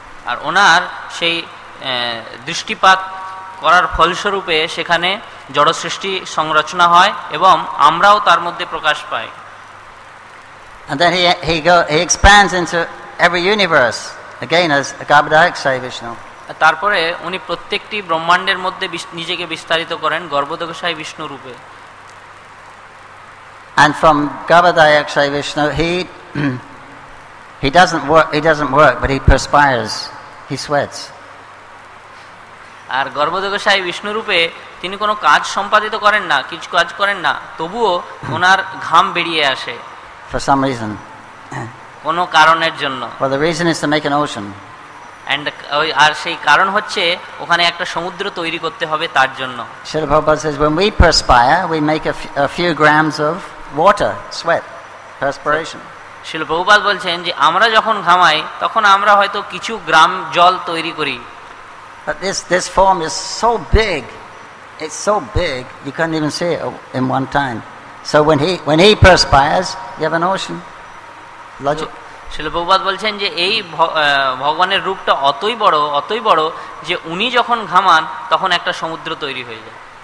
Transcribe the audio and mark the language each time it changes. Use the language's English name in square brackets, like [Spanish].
[Bangla] আর ওনার সেই দৃষ্টিপাত করার ফলস্বরূপে সেখানে জড় সৃষ্টি সংরচনা হয় এবং আমরাও তার মধ্যে প্রকাশ পাই। [English] And then he expands into every universe again as Garbhadayak Sai Vishnu. [Bangla] তারপরে উনি প্রত্যেকটি ব্রহ্মাণ্ডের মধ্যে নিজেকে বিস্তারিত করেন গর্ভদেব সাই বিষ্ণু রূপে। [English] And from Garbhadayak Sai Vishnu he doesn't work but he perspires, he sweats. [Bangla] আর গর্ভদেব সাই বিষ্ণু রূপে তিনি কোনো কাজ সম্পাদিত করেন না, কিছু কাজ করেন না, তবুও ওনার ঘাম বেরিয়ে আসে [English] for some reason, [Bangla] কোনো কারণের জন্য। [English] For the reason is to make an ocean. And [Bangla] আর সেই কারণ হচ্ছে ওখানে একটা সমুদ্র তৈরি করতে হবে তার জন্য। [English] Shri Prabhupada says, when we perspire, we make a few grams of water, sweat, perspiration. [Bangla] Shri Prabhupada বলছেন যে আমরা যখন ঘামাই তখন আমরা হয়তো কিছু গ্রাম জল তৈরি করি। [English] But this form is so big, it's so big you can't even see it in one time. So when he perspires, you have an ocean. Logic. [Bangla] শিল প্রভুপাদ বলছেন যে এই ভগবানের রূপটা অতই বড়, অতই বড় যে উনি যখন ঘামান তখন একটা সমুদ্র তৈরি হয়ে যায়।